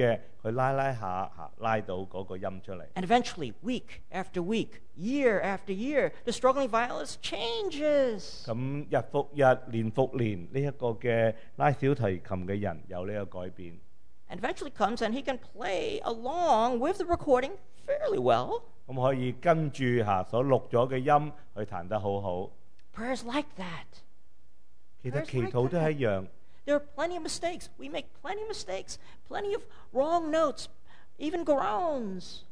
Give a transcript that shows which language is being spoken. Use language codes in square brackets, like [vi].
[yue] 然后慢慢去听翻自己录的，听翻个原本的，去拉拉下，拉到嗰个音出嚟。 [en] And eventually, week after week, year after year, the struggling violinist changes. [yue] 咁日复日，年复年，这个拉小提琴嘅人有呢个改变。 [en] And eventually comes and he can play along with the recording fairly well. [yue] 咁可以跟住所录咗嘅音去弹得好好。 [en] Prayers like that. [yue] 其实祈祷都系一样。 [en] There are plenty of mistakes. We make plenty of mistakes, plenty of wrong notes, even groans.